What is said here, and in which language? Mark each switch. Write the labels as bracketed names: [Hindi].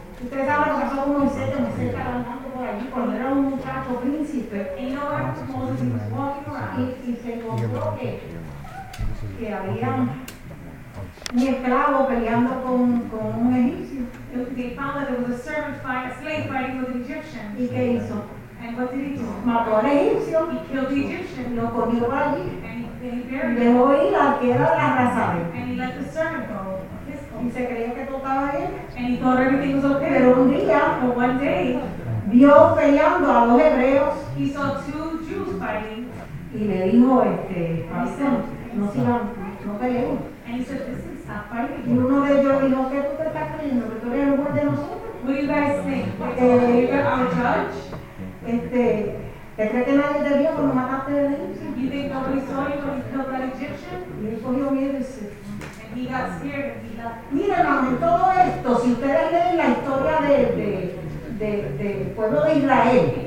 [Spanish] Ustedes saben lo que pasó con Moisés, que Moisés estaba andando por allí, cuando era un muchacho príncipe. Y no era como si nos fuéramos aquí y se encontró que había un esclavo peleando con un egipcio. [English] They found that there was a servant fight, a slave fighting with an Egyptian. [Spanish] ¿Y qué hizo? [English] And what did he do? [Spanish] Mató al egipcio. [English] He killed the Egyptian. [Spanish] Lo corrió para allí. [English] And he buried him. [Spanish] Dejó ir al que era la raza. [English] And he let the servant go. [Spanish] Y se creía que todo estaba bien. [English] And he thought everything was okay. [Spanish] Pero un día, [English] for one day, [Spanish] vio peleando a los hebreos. [English] He saw two Jews fighting. [Spanish] Y le dijo, no sigan, no peleen. [English] And he said, listen, stop fighting. [Spanish] Y uno de ellos dijo, ¿qué tú te estás creyendo? ¿Que tú eres el juez de nosotros? [English] What do you guys think? You're our judge? [Spanish] ¿Te crees que nadie te vio cuando mataste al egipcio? [English] You think nobody saw you when you killed that Egyptian? [Spanish] Y él cogió miedo y se... [English] He got scared. [Spanish] Mira, mamá, en todo esto, si ustedes leen la historia de pueblo de Israel,